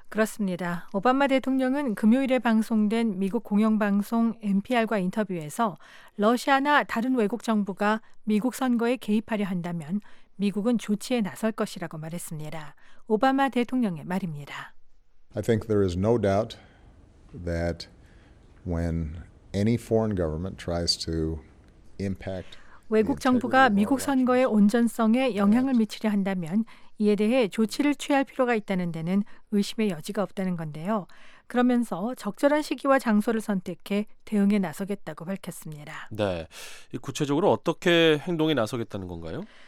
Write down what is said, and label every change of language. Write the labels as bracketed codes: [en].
[ko] 그렇습니다. 오바마 대통령은 금요일에 방송된 미국 공영방송 NPR과 인터뷰에서 러시아나 다른 외국 정부가 미국 선거에 개입하려 한다면 미국은 조치에 나설 것이라고 말했습니다. 오바마 대통령의 말입니다. [en] I think there is no doubt that when any foreign government tries to impact [ko] 외국 정부가 미국 선거의 온전성에 영향을 미치려 한다면 이에 대해 조치를 취할 필요가 있다는 데는 의심의 여지가 없다는 건데요. 그러면서 적절한 시기와 장소를 선택해 대응에 나서겠다고 밝혔습니다. 네. 구체적으로 어떻게 행동에 나서겠다는 건가요?